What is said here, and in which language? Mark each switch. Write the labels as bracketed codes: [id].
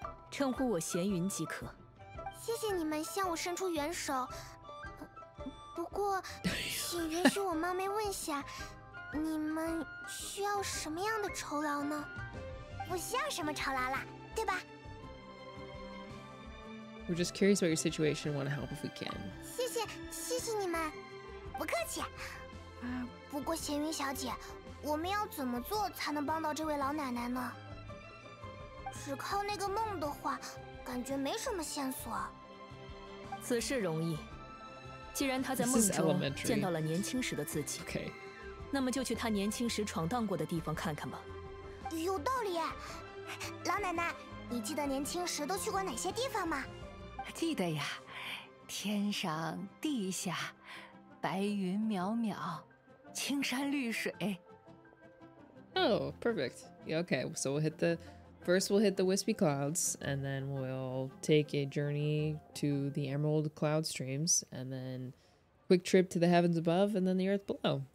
[zh] 称呼我闲云即可。谢谢你们向我伸出援手，不过请允许我冒昧问下，你们需要什么样的酬劳呢？不需要什么酬劳了，对吧？ [en] We're just curious about your situation and want to help if we can. [zh] 谢谢，谢谢你们，不客气。不过闲云小姐，我们要怎么做才能帮到这位老奶奶呢？只靠那个梦的话，感觉没什么线索。此事容易，既然她在梦中见到了年轻时的自己， [en] okay. [zh] 那么就去她年轻时闯荡过的地方看看吧。有道理，老奶奶，你记得年轻时都去过哪些地方吗？记得呀，天上地下，白云渺渺，青山绿水。 [en] Oh, perfect. Yeah, okay, so we'll hit the wispy clouds, and then we'll take a journey to the emerald cloud streams, and then quick trip to the heavens above, and then the earth below.